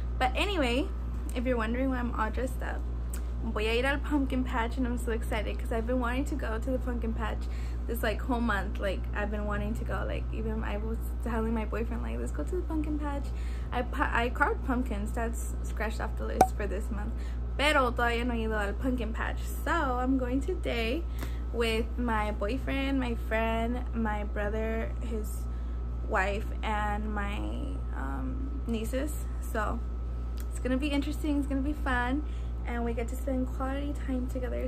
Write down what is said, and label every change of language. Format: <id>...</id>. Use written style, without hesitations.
<en>But anyway, if you're wondering why I'm all dressed up,</en> <es>voy a ir al</es> <en>pumpkin patch and I'm so excited because I've been wanting to go to the pumpkin patch this like whole month. Like, I've been wanting to go. Like, even I was telling my boyfriend, like, let's go to the pumpkin patch. I carved pumpkins. That's scratched off the list for this month.</en> <es>Pero todavía no he ido al pumpkin patch.</es> <en>So I'm going today with my boyfriend, my friend, my brother, his wife, and my nieces. So it's gonna be interesting, it's gonna be fun. And we get to spend quality time together.</en>